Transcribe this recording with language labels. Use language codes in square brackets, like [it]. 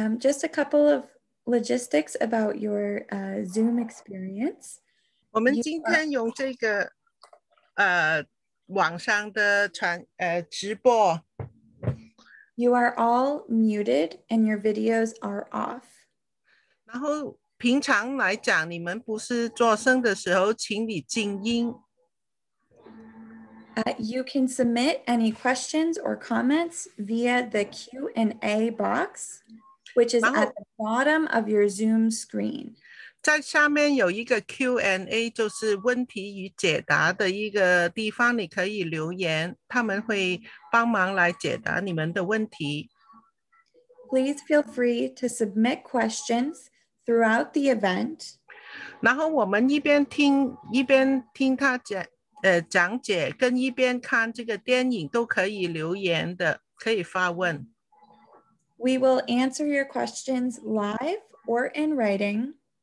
[en] Just a couple of logistics about your Zoom experience. [zh] 我们今天用这个网上的直播. [en] You are all muted and your videos are off. [zh] 然后 平常来讲, 你们不是做声的时候, 请你静音。 [en] You can submit any questions or comments via the Q&A box, which is at the bottom of your Zoom screen. [zh] 在下面有一个Q&A, 就是问题与解答的一个地方, 你可以留言, 他们会帮忙来解答你们的问题。 [en] Please feel free to submit questions throughout the event. [zh] 然后我们一边听他讲解跟一边看这个电影都可以留言的可以发问。 [en] We will answer your questions live or in writing.